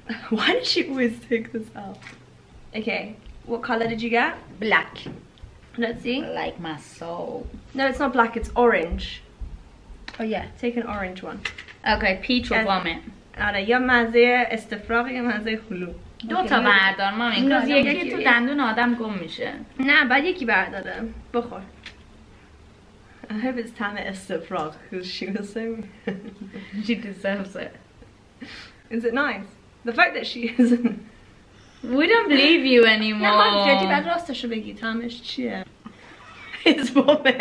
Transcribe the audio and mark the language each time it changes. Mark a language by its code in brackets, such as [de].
[en] Why does she always take this out? Okay, what color did you get? Black. Let's see. Like my soul. No, it's not black, it's orange. Oh yeah, take an orange one. Okay, peach or vomit. [fa] آره یا مزه استفراغ یا مزه هلو. دو تا بردار مامی کاز یکی تو دندون آدم گم میشه. نه بعد یکی برداره. بخور. [en] I hope it's time to [fa] استفراغ [en] because she was so she deserves it. Is it nice? The fact that she isn't. We don't believe you anymore. [fa] نه مامی بعد راستش رو بگی تامش چیه؟ [en] It's vomit.